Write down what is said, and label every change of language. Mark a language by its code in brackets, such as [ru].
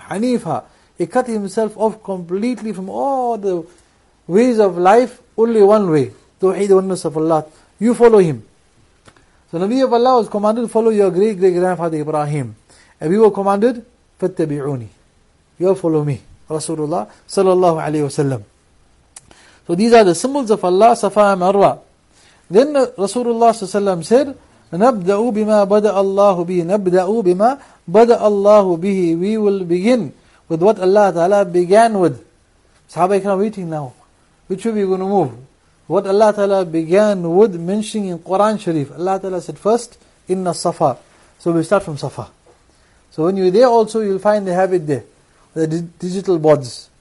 [en] Hanifa, he cut himself off completely from all the ways of life, only one way, Tawheed oneness of Allah. You follow him. So Nabi of Allah was commanded to follow your great-great-grandfather Ibrahim. And we were commanded, [ar] فَاتَّبِعُونِي. [en] You follow me, Rasulullah sallallahu alayhi wa sallam. So these are the symbols of Allah, Safa and Marwa. Then Rasulullah sallallahu alayhi wa sallam said, [ar] نَبْدَأُ بِمَا بَدَأَ اللَّهُ بِهِ نَبْدَأُ بِمَا بَدَأَ اللَّهُ بِهِ. [en] We will begin with what Allah Ta'ala began with. Sahaba ikram waiting now. Which way are we going to move? What Allah Ta'ala began with mentioning in Quran Sharif. Allah Ta'ala said first, إِنَّ Safa. So we start from Safa. So when you're there also, you'll find the habit there. The digital boards.